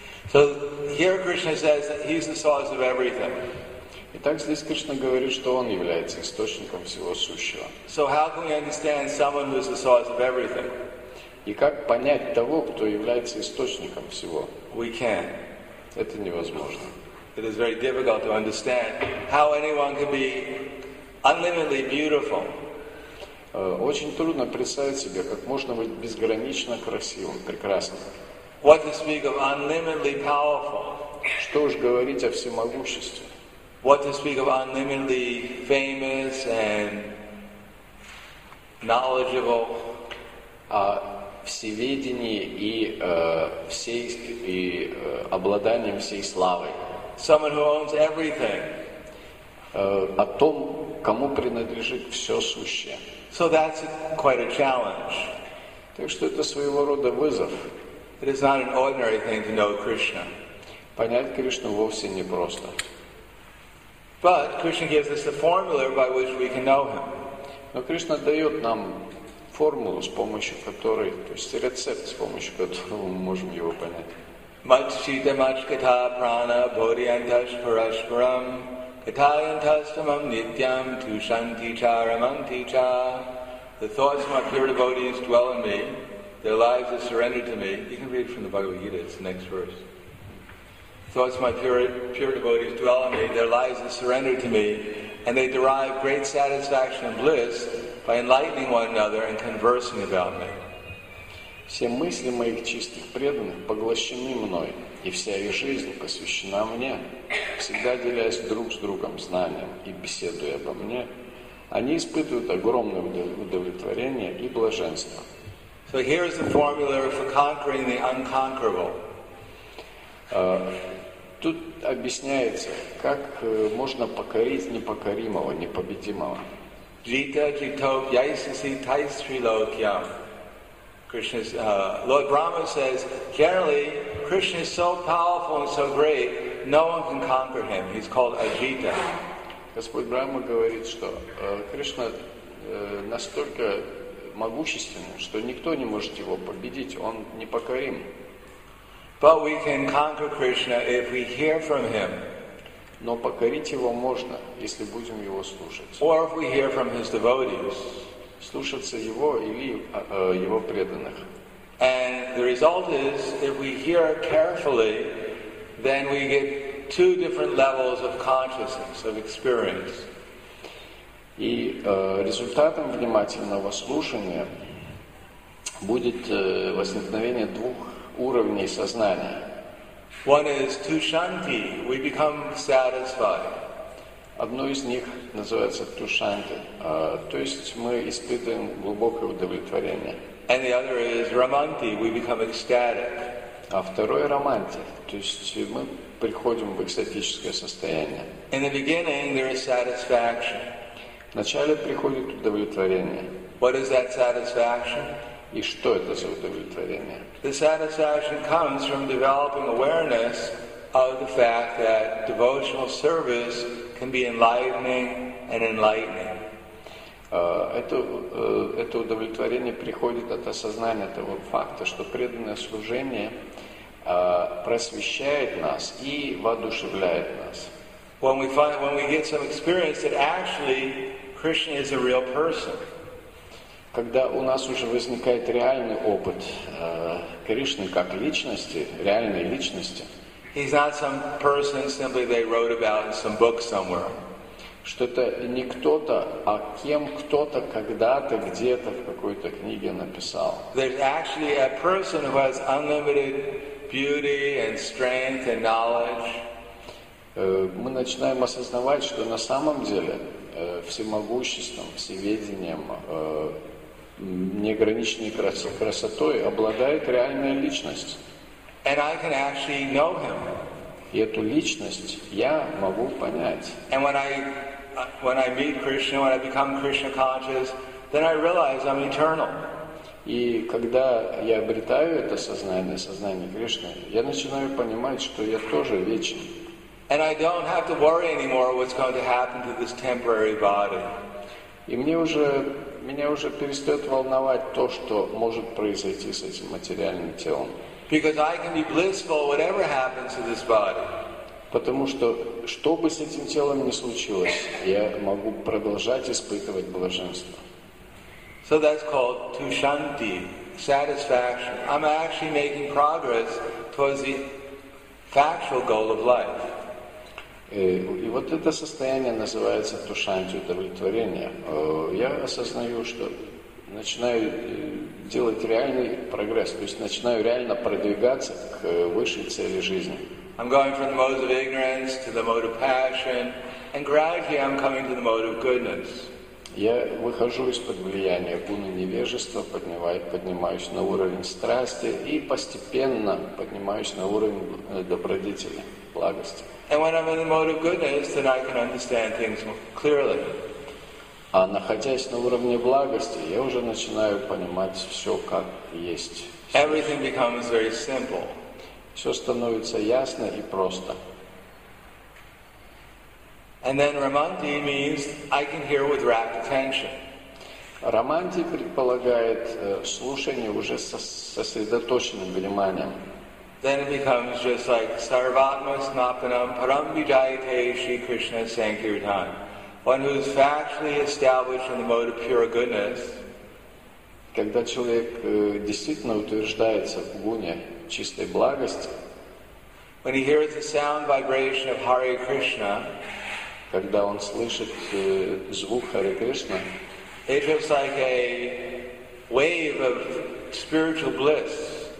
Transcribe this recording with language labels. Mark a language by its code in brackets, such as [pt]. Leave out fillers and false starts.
[en] So here Krishna says that he's the source of everything. [ru] Итак, здесь Кришна говорит, что он является источником всего сущего. [en] So how can we understand someone who's the source of everything? [ru] И как понять того, кто является источником всего? [en] We can. [ru] Это невозможно. [en] It is very difficult to understand how anyone can be unlimitedly beautiful. [ru] Очень трудно представить себе, как можно быть безгранично красивым, прекрасным. [en] What to speak of unlimitedly powerful? [ru] Что уж говорить о всемогуществе? [en] What to speak of unlimitedly famous and knowledgeable? [ru] О всеведении и всей и обладанием всей славой. [en] Someone who owns everything. [ru] О том, кому принадлежит все сущее. [en] So that's quite a challenge. [ru] Так что это своего рода вызов. [en] It is not an ordinary thing to know Krishna. [ru] Понять Кришну вовсе не просто. [en] But Krishna gives us the formula by which we can know him. [ru] Но Кришна дает нам формулу, с помощью которой, то есть рецепт, с помощью которого мы можем его понять. [sa] Матчита мачката прана бодиянташ парашпарам. Itayantastamam nityam tu shanti cha ramanti cha. [en] The thoughts of my pure devotees dwell in me. Their lives are surrendered to me. You can read from the Bhagavad Gita, it's the next verse. The thoughts of my pure devotees dwell in me. Their lives are surrendered to me. And they derive great satisfaction and bliss by enlightening one another and conversing about me. [ru] Все мысли моих чистых преданных поглощены мной. И вся их жизнь посвящена мне. Всегда делясь друг с другом знанием и беседуя обо мне, они испытывают огромное удовлетворение и блаженство. [en] So here is the formula for conquering the unconquerable. [ru] Тут объясняется, как можно покорить непокоримого, непобедимого. [sa] Jita jitop yaisisi taisri lokyam. [en] Krishna's, Lord Brahma says, generally, Krishna is so powerful and so great, no one can conquer him. He's called Ajita. [ru] Господь Брахма говорит, что Кришна настолько могущественный, что никто не может его победить, он непокорим. [en] But we can conquer Krishna if we hear from him. [ru] Но покорить его можно, если будем его слушать. [en] Or if we hear from his devotees. [ru] Слушаться его или его преданных. [en] And the result is, if we hear carefully, then we get two different levels of consciousness, of experience. [ru] И результатом внимательного слушания будет возникновение двух уровней сознания. [en] One is tushanti, we become satisfied. [ru] Одно из них называется тушанти, то есть мы испытываем глубокое удовлетворение. [en] And the other is романти, we become ecstatic. [ru] А второе романти, то есть мы приходим в экстатическое состояние. [en] In the beginning there is satisfaction. [ru] В Вначале приходит удовлетворение. [en] What is that satisfaction? [ru] И что это за удовлетворение? [en] The satisfaction comes from developing awareness of the fact that devotional service can be enlightening and enlightening. [ru] Это удовлетворение приходит от осознания того факта, что преданное служение просвещает нас и воодушевляет нас. [en] When we get some experience that actually Krishna is a real person. [ru] Когда у нас уже возникает реальный опыт Кришны как личности, реальной личности. [en] He's not some person simply they wrote about in some book somewhere. [ru] Что это не кто-то, а кем кто-то когда-то где-то в какой-то книге написал. [en] There's actually a person who has unlimited beauty and strength and knowledge. [ru] Мы начинаем осознавать, что на самом деле всемогуществом, всеведением, неограниченной красотой обладает реальная личность. [en] And I can actually know him. [ru] И эту личность я могу понять. [en] And when I meet Krishna, when I become Krishna conscious, then I realize I'm eternal. [ru] И когда я обретаю это сознание, сознание Кришны, я начинаю понимать, что я тоже вечен. [en] And I don't have to worry anymore what's going to happen to this temporary body. [ru] И меня уже перестает волновать то, что может произойти с этим материальным телом. [en] Because I can be blissful whatever happens to this body. [ru] Потому что, что бы с этим телом ни случилось, я могу продолжать испытывать блаженство. [en] So that's called tushanti, satisfaction. I'm actually making progress towards the factual goal of life. [ru] И вот это состояние называется тушанти, удовлетворение. Я осознаю, что начинаю делать реальный прогресс, то есть начинаю реально продвигаться к высшей цели жизни. [en] I'm going from the mode of ignorance to the mode of passion, and gradually I'm coming to the mode of goodness. [ru] Я выхожу из-под влияния гуны невежества, поднимаюсь на уровень страсти и постепенно поднимаюсь на уровень добродетели, благости. [en] And when I'm in the mode of goodness, then I can understand things more clearly. [ru] А находясь на уровне благости, я уже начинаю понимать все как есть. [en] Everything becomes very simple. [ru] Все становится ясно и просто. [en] And then Ramanti means I can hear with rapt attention. [ru] Раманти предполагает слушание уже со сосредоточенным вниманием. [en] Then it becomes just like [sa] Sarvatma Snapanam Param Vijayate Shri Krishna Sankirtan. [en] One who is factually established in the mode of pure goodness. [ru] Когда человек действительно утверждается в гуне чистой благости. [en] When he hears the sound vibration of Hare Krishna. [ru] Когда он слышит звук Харе Кришна. [en] It feels like a wave of spiritual bliss.